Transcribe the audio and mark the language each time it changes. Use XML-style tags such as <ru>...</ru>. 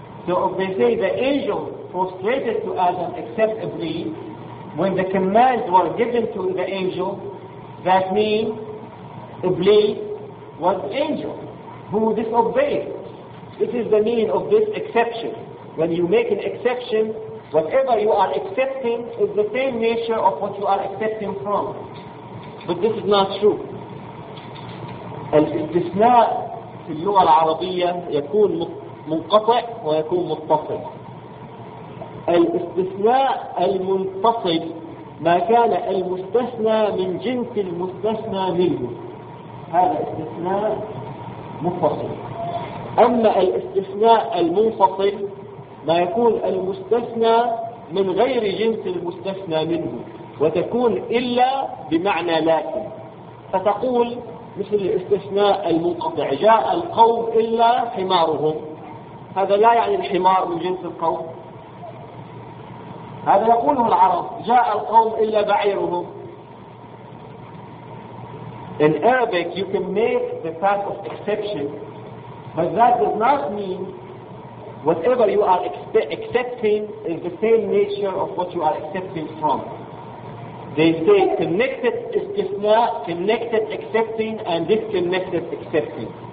<en>So if they say the angel prostrated to Adam except Iblis, when the commands were given to the angel, that means Iblis was the angel who disobeyed. This is the meaning of this exception. When you make an exception, whatever you are accepting is the same nature of what you are accepting from. But this is not true.</en> <ar>الاستثناء في اللغة العربية يكون منقطع ويكون متصل. الاستثناء المنفصل ما كان المستثنى من جنس المستثنى منه. هذا استثناء منفصل. أما الاستثناء المنفصل ما يكون المستثنى من غير جنس المستثنى منه وتكون إلا بمعنى لكن. فتقول مثل الاستثناء المنقطع، جاء القوم إلا حمارهم، هذا لا يعني الحمار من جنس القوم، هذا يقوله العرب، جاء القوم إلا بعيرهم.</ar> <en>In Arabic you can make the type of exception, but that does not mean whatever you are accepting is the same nature of what you are accepting from. They say connected istisna, connected accepting, and disconnected accepting.</en>